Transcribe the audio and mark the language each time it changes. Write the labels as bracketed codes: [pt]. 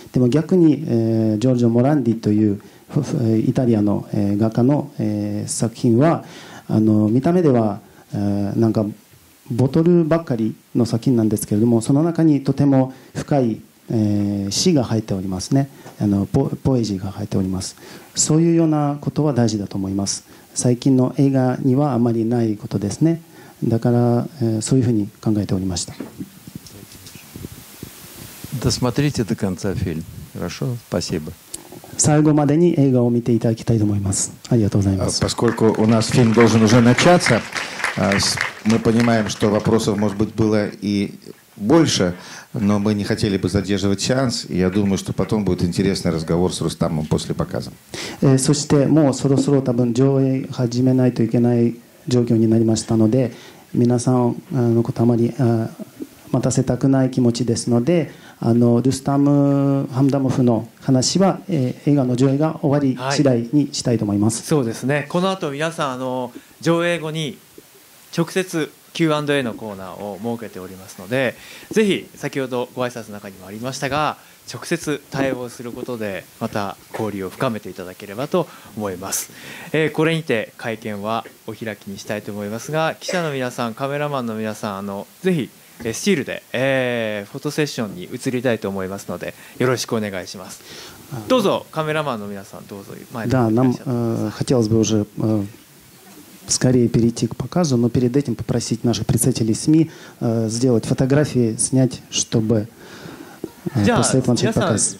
[ja] でも逆に、ジョルジョ・モランディというイタリアの画家の作品は見た目ではなんかボトルばっかりの作品なんですけれども、その中にとても深い詩が入っておりますね、ポエジーが入っております。そういうようなことは大事だと思います。最近の映画にはあまりないことですね。だからそういうふうに考えておりました。 [ru] досмотрите до конца фильм хорошо спасибо [ja] 最後までに映画を見ていただきたいと思います。ありがとうございます。 [ru] поскольку у нас фильм должен уже начаться, мы понимаем, что вопросов, может быть, было и больше, но мы не хотели бы задерживать сеанс, и я думаю, что потом будет интересный разговор с Рустамом после показа. [ja] そしてもうそろそろ多分上映始めないといけない状況になりましたので、皆さんのことあまり待たせたくない気持ちですので、ルスタム・ハムダモフの話は、映画の上映が終わり次第にしたいと思います、はい、そうですね。この後皆さん上映後に直接 Q&A のコーナーを設けておりますので、ぜひ先ほどご挨拶の中にもありましたが直接対応することでまた交流を深めていただければと思います、これにて会見はお開きにしたいと思いますが、記者の皆さん、カメラマンの皆さん、ぜひスチールで、フォトセッションに移りたいと思いますのでよろしくお願いします。どうぞカメラマンの皆さん、どうぞ前に。 [ru] нам хотелось бы уже скорее перейти к показу, но перед этим попросить наших представителей СМИ сделать фотографии, снять, чтобы после этого начать показ.